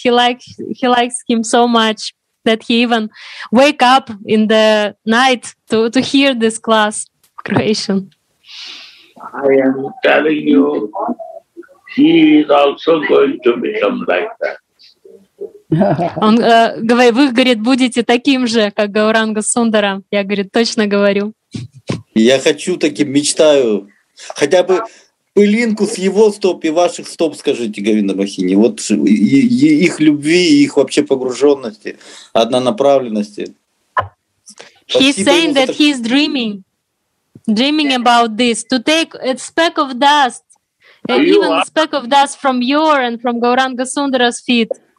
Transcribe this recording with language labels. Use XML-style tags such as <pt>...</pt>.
<en>He likes him so much that he even wake up in the night to hear this class creation. I am telling you, he is also going to become like that.</en> <ru>Он говорит, вы, говорит, будете таким же, как Гауранга Сундара. Я, говорит, точно говорю. Я хочу таким, мечтаю. Хотя бы пылинку с его стоп и ваших стоп, скажите, Говинда Махини. Вот и их любви, и их вообще погруженности, однонаправленности.</ru> <en>He's saying that he's dreaming. Dreaming about this, to take a speck of dust, even a speck of dust from your and from Gauranga Sundara's feet.</en>